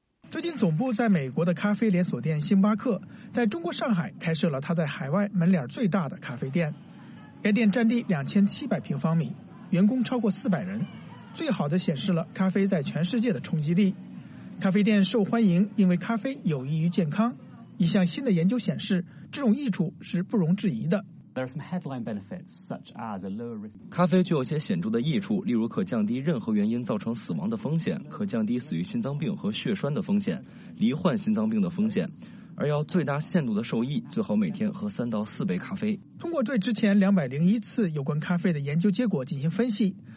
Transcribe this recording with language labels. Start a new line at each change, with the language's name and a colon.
Chinese: 最近总部在美国的咖啡连锁店星巴克在中国上海开设了它在海外门脸最大的咖啡店。该店占地2700平方米，员工超过400人，最好的显示了咖啡在全世界的冲击力。咖啡店受欢迎，因为咖啡有益于健康。一项新的研究显示，这种益处是不容置疑的。
English: There are some headline benefits, such as a lower risk.
Chinese: 咖啡具有些显著的益处，例如可降低任何原因造成死亡的风险，可降低死于心脏病和血栓的风险，罹患心脏病的风险。而要最大限度的受益，最好每天喝3到4杯咖啡。通过对之前201次有关咖啡的研究结果进行分析。